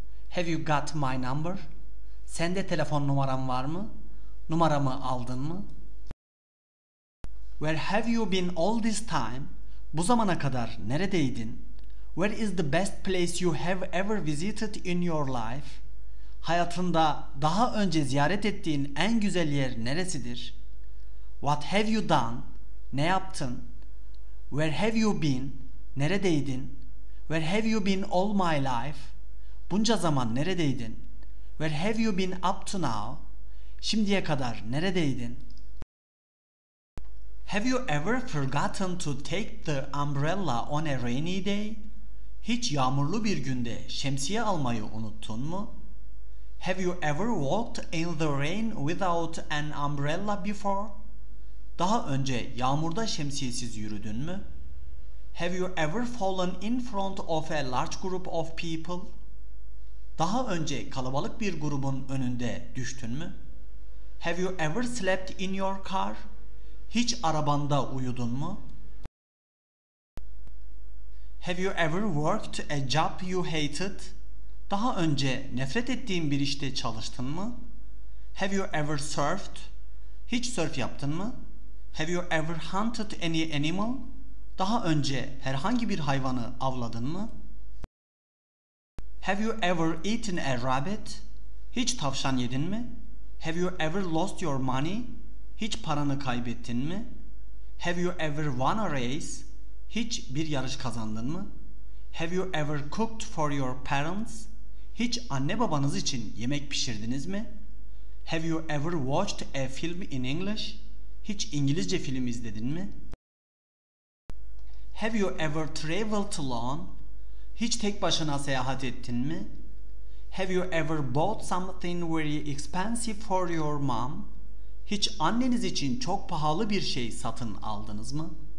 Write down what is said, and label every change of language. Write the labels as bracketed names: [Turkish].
[English] Have you got my number? [Turkish] Sende telefon numaram var mı? Numaramı aldın mı? [English] Where have you been all this time? [Turkish] Bu zamana kadar neredeydin? [English] Where is the best place you have ever visited in your life? [Turkish] Hayatında daha önce ziyaret ettiğin en güzel yer neresidir? [English] What have you done? [Turkish] Ne yaptın? [English] Where have you been? [Turkish] Neredeydin? [English] Where have you been all my life? [Turkish] Bunca zaman neredeydin? [English] Where have you been up to now? [Turkish] Şimdiye kadar neredeydin? [English] Have you ever forgotten to take the umbrella on a rainy day? [Turkish] Hiç yağmurlu bir günde şemsiye almayı unuttun mu? [English] Have you ever walked in the rain without an umbrella before? [Turkish] Daha önce yağmurda şemsiyesiz yürüdün mü? [English] Have you ever fallen in front of a large group of people? [Turkish] Daha önce kalabalık bir grubun önünde düştün mü? [English] Have you ever slept in your car? [Turkish] Hiç arabanda uyudun mu? [English] Have you ever worked a job you hated? [Turkish] Daha önce nefret ettiğin bir işte çalıştın mı? [English] Have you ever surfed? [Turkish] Hiç sörf yaptın mı? [English] Have you ever hunted any animal? [Turkish] Daha önce herhangi bir hayvanı avladın mı? [English] Have you ever eaten a rabbit? [Turkish] Hiç tavşan yedin mi? [English] Have you ever lost your money? [Turkish] Hiç paranı kaybettin mi? [English] Have you ever won a race? [Turkish] Hiç bir yarış kazandın mı? [English] Have you ever cooked for your parents? [Turkish] Hiç anne babanız için yemek pişirdiniz mi? [English] Have you ever watched a film in English? [Turkish] Hiç İngilizce film izledin mi? [English] Have you ever traveled alone? [Turkish] Hiç tek başına seyahat ettin mi? [English] Have you ever bought something very expensive for your mom? [Turkish] Hiç anneniz için çok pahalı bir şey satın aldınız mı?